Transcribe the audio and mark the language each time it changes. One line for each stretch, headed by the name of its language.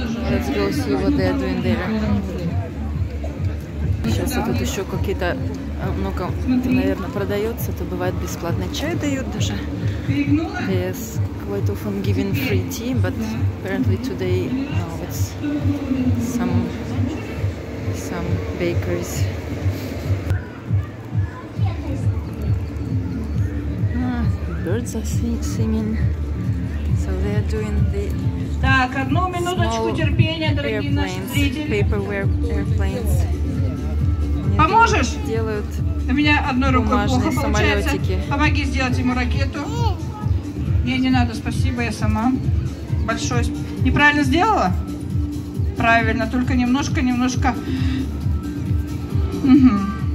English: Let's go see what they are doing there.
Russian: Сейчас тут еще какие-то, ну-ка, наверное, продается. Это бывает бесплатный чай дают даже.
English: Yes. Quite often given free tea, but apparently today it's some bakers. Birds are singing, so they are doing the small airplanes, paperware airplanes.
Russian: Поможешь? Делают. У меня одной рукой плохо получается. Помоги сделать ему ракету. Не надо, спасибо, я сама. Большое. Неправильно сделала? Правильно, только немножко. Угу.